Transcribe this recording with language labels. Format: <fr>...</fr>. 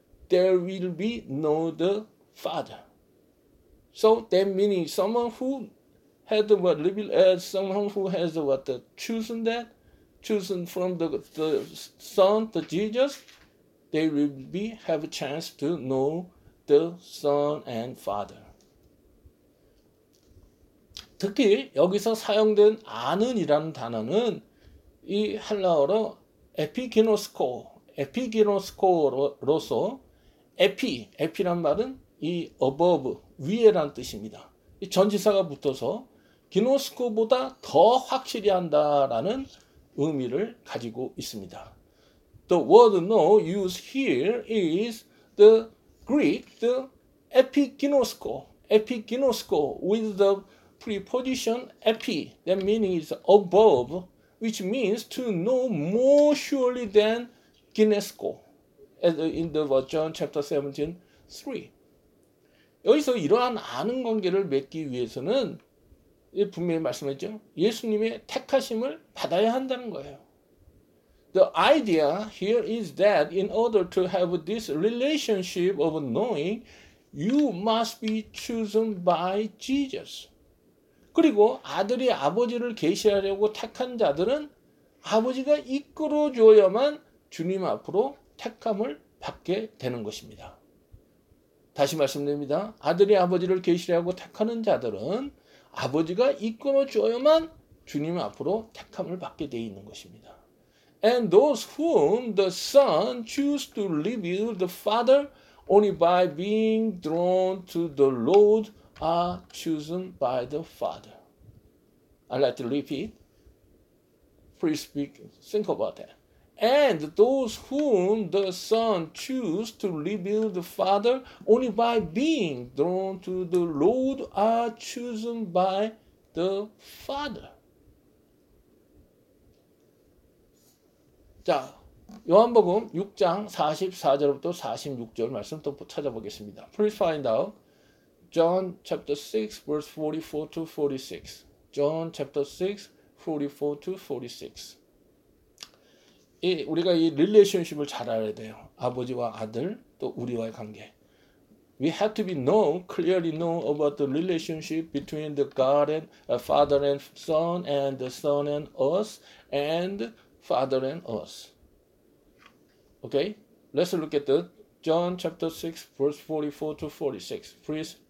<en>There will be no the Father. So that meaning someone who has what chosen that, chosen from the Son, the Jesus, they will be have a chance to know the Son and Father.</en> <ko>특히 여기서 사용된 아는이라는 단어는 이 헬라어로 에피기노스코, 에피기노스코로서 에피란 말은 이 above, 위에란 뜻입니다. 이 전지사가 붙어서 기노스코보다 더 확실히 한다라는 의미를 가지고 있습니다.</ko> <en>The word know used here is the Greek, the epiginosko, epiginosko with the preposition epi, that meaning is above, which means to know more surely than ginesko, as in the John chapter 17, 3.</en> <ko>여기서 이러한 아는 관계를 맺기 위해서는 분명히 말씀했죠. 예수님의 택하심을 받아야 한다는 거예요.</ko> <en>The idea here is that in order to have this relationship of knowing, you must be chosen by Jesus.</en> <ko>그리고 아들이 아버지를 계시하려고 택한 자들은 아버지가 이끌어줘야만 주님 앞으로 택함을 받게 되는 것입니다. 다시 말씀드립니다. 아들이 아버지를 계시하려고 택하는 자들은 아버지가 이끌어줘야만 주님 앞으로 택함을 받게 되어 있는 것입니다.</ko> <en>And those whom the Son choose to reveal the Father only by being drawn to the Lord are chosen by the Father. I'd like to repeat. Please speak, think about that. And those whom the Son choose to reveal the Father only by being drawn to the Lord are chosen by the Father.</en> <ko>자, 요한복음 6장 44절부터 46절 말씀 또 찾아보겠습니다.</ko> <en>Please find out John chapter 6 verse 44 to 46. John chapter 6 44 to 46.</en> <ko>우리가 이 릴레이션십을 잘 알아야 돼요. 아버지와 아들, 또 우리와의 관계.</ko> <en>We have to be known, clearly known about the relationship between the God and Father and Son, and the Son and us, and Father and us. Okay? Let's look at the John chapter 6, verse 44 to 46.</en>